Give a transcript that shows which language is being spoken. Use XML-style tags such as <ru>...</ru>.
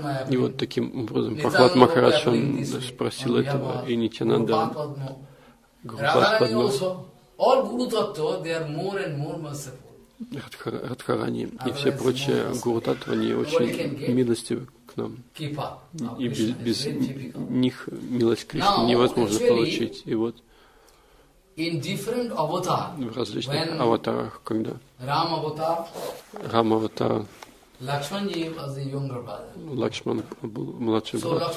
<ru>И вот таким образом Прохлад Махарадж спросил этого, и Нитянанда Групадпадма.</ru> <en>All Guru Tattva, they are more and more merciful.</en> <ru>Радхарани и все прочие Гуру Таттва, они очень милостивы к нам. И без них милость Кришны невозможно получить. И вот в различных аватарах, когда Рама-аватар, Лакшман был младший брат.</ru>